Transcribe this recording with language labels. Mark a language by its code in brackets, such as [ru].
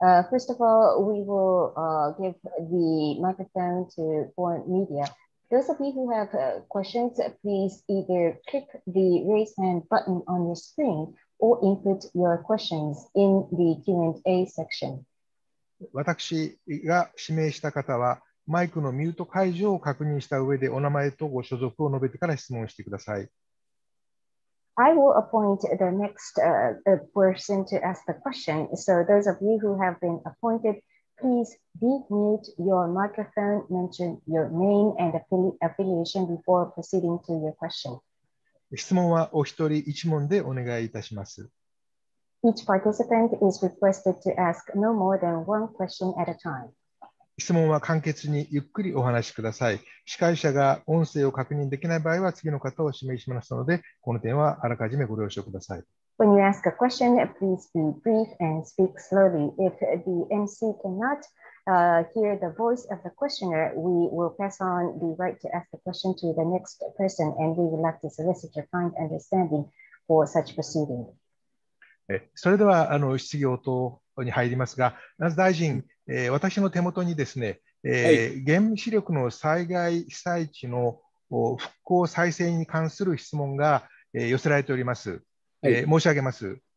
[en] First of all, we will give the microphone to foreign media. Those of you who have questions, please either click the raise hand button on your screen or input your questions in the Q&A section. [ja] 私が指名した方はマイクのミュート解除を確認した上でお名前とご所属を述べてから質問してください。 [en] I will appoint the next person to ask the question. So those of you who have been appointed, please de-mute your microphone, mention your name and affiliation before proceeding to your question. [ja] 質問はお一人一問でお願いいたします。 [en] Each participant is requested to ask no more than one question at a time. [ja] 質問は簡潔にゆっくりお話しください。司会者が音声を確認できない場合は次の方を指名しますので、この点はあらかじめご了承ください。 [en] When you ask a question, please be brief and speak slowly. If the MC cannot hear the voice of the questioner, we will pass on the right to ask the question to the next person and we would like to solicit your kind understanding for such proceeding. [ja] それでは質疑応答に入りますが、まず大臣、私の手元にですね、原子力の災害被災地の復興再生に関する質問が寄せられております。申し上げます。